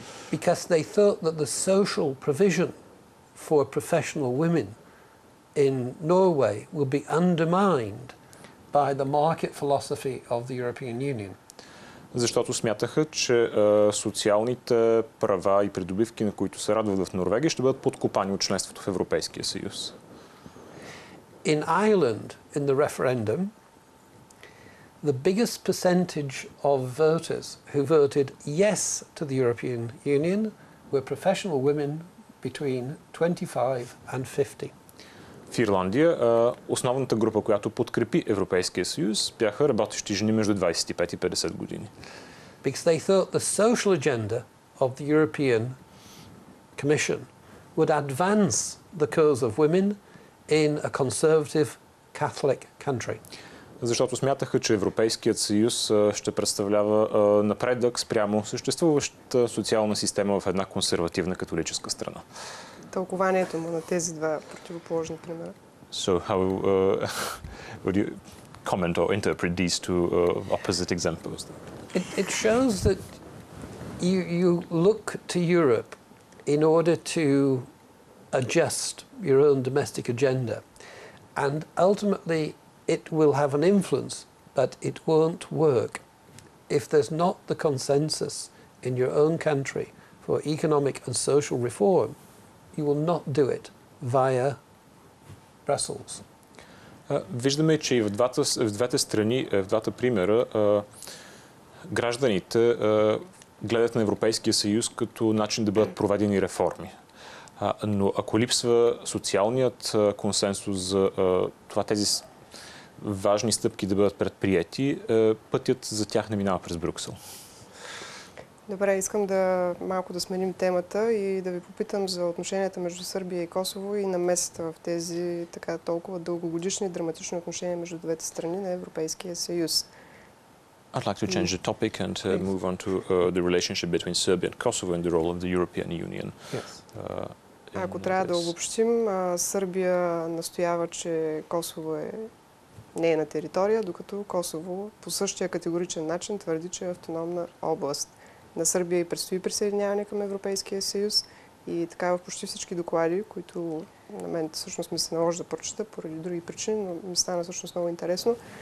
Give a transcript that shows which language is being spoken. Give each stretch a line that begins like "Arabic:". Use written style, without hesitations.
English: Because they thought that the social provision for professional women in Norway will be undermined by the market philosophy of the European Union.
Bulgarian: Защото смятаха, че социалните права и придобивки, на които се радват в Норвегия, ще бъдат подкопани от членството в Европейския съюз.
English: In Ireland, in the referendum, the biggest percentage of voters who voted yes to the European Union were professional women between 25 and 50.
Bulgarian: В Ирландия основната група, която подкрепи Европейския съюз, бяха работещи жени между 25 и 50 години.
English: Because they thought the social agenda of the European Commission would advance the cause of women in a conservative Catholic country.
Bulgarian: Защото смятаха, че Европейският съюз ще представлява напредък спрямо съществуващата социална система в една консервативна католическа страна. Тълкованието му на тези два противоположни примера.
English: So how would you comment or interpret these two opposite examples? It shows that you look to Europe in order to adjust your own domestic agenda, and ultimately it will have an influence, but it won't work if there's not the consensus in your own country for economic and social reform. You will not do it via Brussels.
Bulgarian: Виждаме, че и в двете страни, в двата примера, гражданите гледат на Европейския съюз като начин да бъдат проведени реформи. Но ако липсва социалният консенсус за това тези важни стъпки да бъдат предприети, пътят за тях не минава през Брюксел. Добре, искам да малко да сменим темата и да ви попитам за отношенията между Сърбия и Косово и намесата в тези така толкова дългогодишни драматични отношения между двете страни на Европейския съюз.
English: I'd like to change the topic and move on to the relationship between Serbia and Kosovo and the role of the European Union. Yes.
Bulgarian: Ако трябва да обобщим, Сърбия настоява, че Косово е нейна територия, докато Косово по същия категоричен начин твърди, че е автономна област. На Сърбия и предстои присъединяване към Европейския съюз и така в почти всички доклади, които на мен всъщност ми се наложи да прочета поради други причини, но ми стана всъщност много интересно.